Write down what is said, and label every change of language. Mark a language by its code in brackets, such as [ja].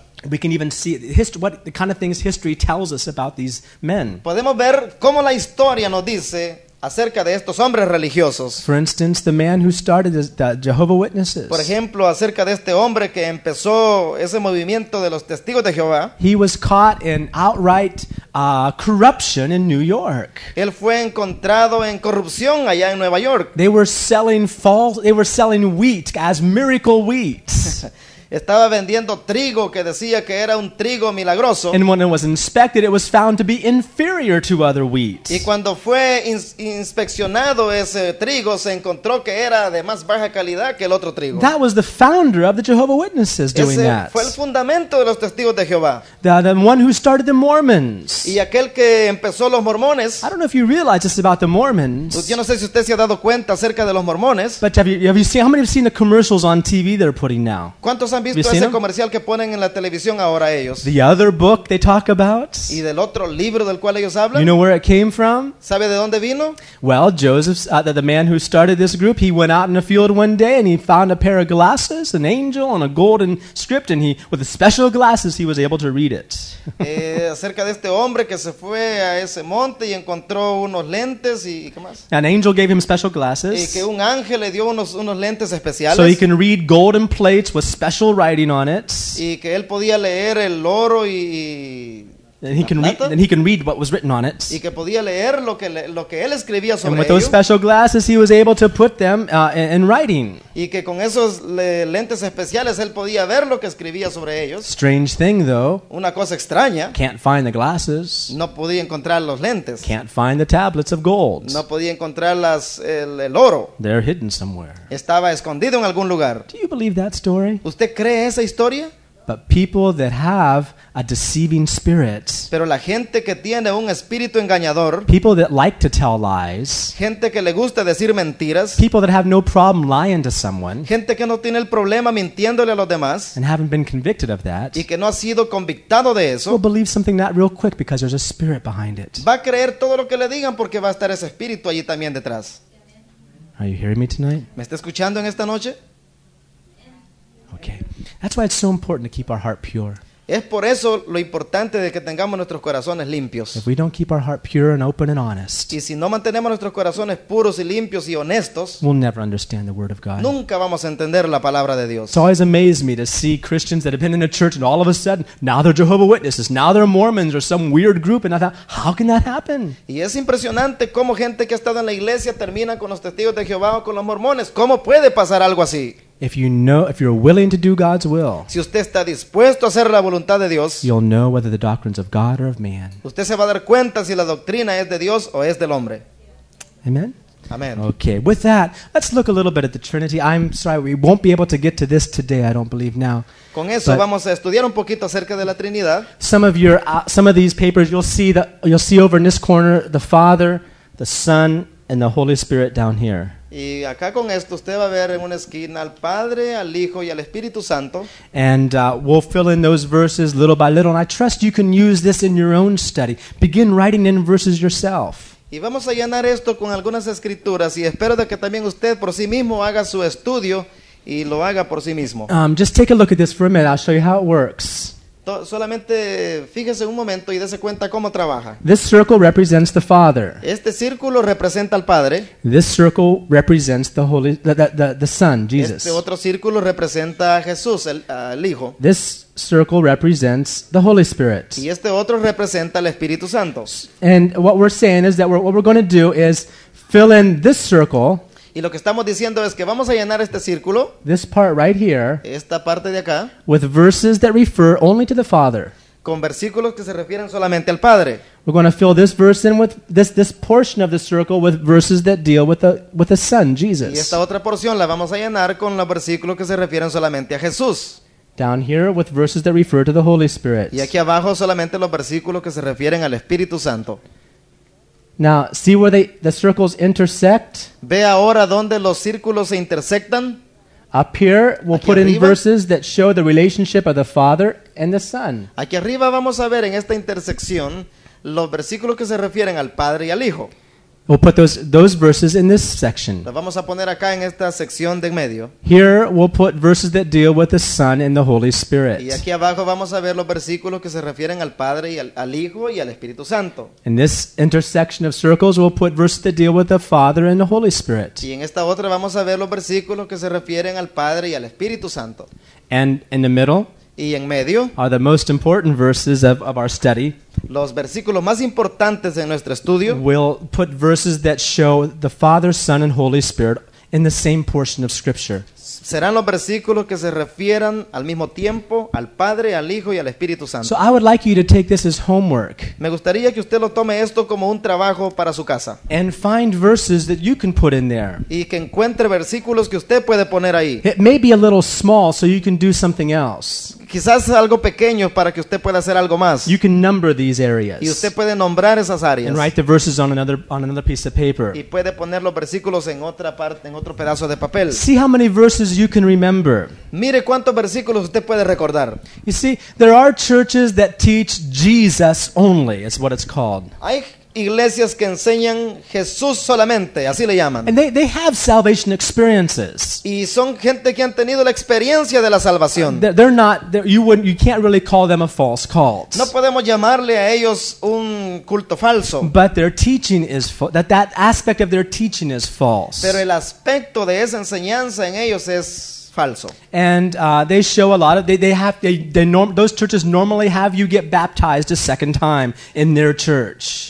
[en] We can even see what the kind of things history tells us about these men. [es] Podemos ver cómo la historia nos dice acerca de estos hombres religiosos. [en] For instance, the man who started the Jehovah Witnesses. [es] Por ejemplo, acerca de este hombre que empezó ese movimiento de los testigos de Jehová. [en] He was caught in outright corruption in New York. [es] Él fue encontrado en corrupción allá en Nueva York. [en] They were selling wheat as miracle wheat. [es] Estaba vendiendo trigo que decía que era un trigo milagroso. [en] And when it was inspected, it was found to be inferior to other wheat. [es] Y cuando fue inspeccionado ese trigo, se encontró que era de más baja calidad que el otro trigo. [en] That was the founder of the Jehovah Witnesses doing that. [es] Ese fue el fundamento de los testigos de Jehová. [en] The one who started the Mormons. [es] Y aquel que empezó los mormones. [en] I don't know if you realize this about the Mormons. [es] Yo no sé si usted se ha dado cuenta acerca de los mormones. [en] But have you seen, how many have seen the commercials on TV they're putting now? [es] ¿Cuántos han visto ese comercial que ponen en la televisión ahora ellos? [en] The other book they talk about. [es] Y del otro libro del cual ellos hablan. [en] You know where it came from? [es] ¿Sabe de dónde vino? [en] Well, Joseph, the man who started this group, he went out in a field one day and he found a pair of glasses, an angel, and a golden script, and he, with the special glasses, he was able to read it. [es] Acerca de este hombre que se fue a ese monte y encontró unos lentes y ¿qué más? [en] An angel gave him special glasses. [es] Y que un ángel le dio unos lentes especiales. [en] So he can read golden plates with special writing on it. [es] Y que él podía leer el oro y [en] And he can read what was written on it. [es] Y que podía leer lo que él escribía sobre [en] And with those special glasses, he was able to put them in writing. [es] Y que con esos lentes especiales, él podía ver lo que escribía sobre ellos. [en] Strange thing, though. [es] Una cosa extraña. [en] Can't find the glasses. [es] No podía encontrar los lentes. [en] Can't find the tablets of gold. [es] No podía encontrar el oro. [en] They're hidden somewhere. [es] Estaba escondido en algún lugar. [en] Do you believe that story? [es] ¿Usted cree esa historia? [en] But people that have a deceiving spirit. [es] Pero la gente que tiene un espíritu engañador. [en] People that like to tell lies. [es] Gente que le gusta decir mentiras. [en] People that have no problem lying to someone. [es] Gente que no tiene el problema mintiéndole a los demás. [en] And haven't been convicted of that. [es] Y que no ha sido convictado de eso. [en] Will believe something that real quick because there's a spirit behind it. [es] Va a creer todo lo que le digan porque va a estar ese espíritu allí también detrás. [en] Are you hearing me tonight? [es] ¿Me está escuchando en esta noche? [en] Okay. That's why it's so important to keep our heart pure. [es] Es por eso lo importante de que tengamos nuestros corazones limpios. [en] If we don't keep our heart pure and open and honest, [es] y si no mantenemos nuestros corazones puros y limpios y honestos, [en] we'll never understand the word of God. [es] Nunca vamos a entender la palabra de Dios. [en] It's always amazed me to see Christians that have been in a church and all of a sudden now they're Jehovah Witnesses, now they're Mormons or some weird group, and I thought, how can that happen? [es] Y es impresionante cómo gente que ha estado en la iglesia termina con los testigos de Jehová o con los mormones. ¿Cómo puede pasar algo así? [en] If you're willing to do God's will, [es] si usted está dispuesto a hacer la voluntad de Dios, [en] you'll know whether the doctrine's of God or of man. [es] Usted se va a dar cuenta si la doctrina es de Dios o es del hombre. [en] Amen. [es] Amen. [en] Okay. With that, let's look a little bit at the Trinity. I'm sorry, we won't be able to get to this today. I don't believe now. [es] Con eso vamos a estudiar un poquito acerca de la Trinidad. [en] Some of these papers, you'll see over in this corner the Father, the Son, and the Holy Spirit down here. [es] Y acá con esto usted va a ver en una esquina al Padre, al Hijo y al Espíritu Santo. [en] And we'll fill in those verses little by little. And I trust you can use this in your own study. Begin writing in verses yourself. [es] Y vamos a llenar esto con algunas escrituras. Y espero de que también usted por sí mismo haga su estudio y lo haga por sí mismo. [en] Just take a look at this for a minute. I'll show you how it works. [es] Solamente fíjese un momento y dése cuenta cómo trabaja. [en] This circle represents the Father. [es] Este círculo representa al Padre. [en] This circle represents the Holy, the Son, Jesus. [es] Este otro círculo representa a Jesús, el Hijo. [en] This circle represents the Holy Spirit. [es] Y este otro representa al Espíritu Santo. [en] And what we're saying is that what we're going to do is fill in this circle. [es] Y lo que estamos diciendo es que vamos a llenar este círculo, [en] this part right here, [es] esta parte de acá, [en] with verses that refer only to the Father. [es] Con versículos que se refieren solamente al Padre. [en] We're going to fill this verse in with this portion of the circle with verses that deal with the Son, Jesus. [es] Y esta otra porción la vamos a llenar con los versículos que se refieren solamente a Jesús. [en] Down here with verses that refer to the Holy Spirit. [es] Y aquí abajo solamente los versículos que se refieren al Espíritu Santo. [en] Now, see where the circles intersect? [es] Ve ahora donde los círculos se intersectan. [en] Up here, we'll put in verses that show the relationship of the Father and the Son. [es] Aquí arriba vamos a ver en esta intersección los versículos que se refieren al Padre y al Hijo. [en] We'll put those verses in this section. [es] Los vamos a poner acá en esta sección de en medio. [en] Here, we'll put verses that deal with the Son and the Holy Spirit. [es] Y aquí abajo vamos a ver los versículos que se refieren al Padre y al Hijo y al Espíritu Santo. [en] In this intersection of circles, we'll put verses that deal with the Father and the Holy Spirit. [es] Y en esta otra vamos a ver los versículos que se refieren al Padre y al Espíritu Santo. [en] And in the middle, [es] y en medio, [en] are the most important verses of our study. [es] Los versículos más importantes en nuestro estudio. [en] We'll put verses that show the Father, Son, and Holy Spirit in the same portion of Scripture. [es] Serán los versículos que se refieran al mismo tiempo al Padre, al Hijo y al Espíritu Santo. [en] So I would like you to take this as homework. [es] Me gustaría que usted lo tome esto como un trabajo para su casa. [en] And find verses that you can put in there. [es] Y que encuentre versículos que usted puede poner ahí. [en] It may be a little small so you can do something else. [es] Quizás algo pequeño para que usted pueda hacer algo más. [en] You can number these areas. [es] Y usted puede nombrar esas áreas. [en] And write the verses on another piece of paper. [es] Y puede poner los versículos en otra parte, en otro pedazo de papel. [en] See how many verses you can remember. [es] Mire cuántos versículos usted puede recordar. [en] You see, there are churches that teach Jesus only. It's what it's called. [es] Hay iglesias que enseñan Jesús solamente, así le llaman. [en] And they have salvation experiences. [es] Y son gente que han tenido la experiencia de la salvación. [en] You can't really call them a false cult. [es] No podemos llamarle a ellos un culto falso. [en] But their teaching is that aspect of their teaching is false. [es] Pero el aspecto de esa enseñanza en ellos es falso. [en] And they show a lot of those churches normally have you get baptized a second time in their church.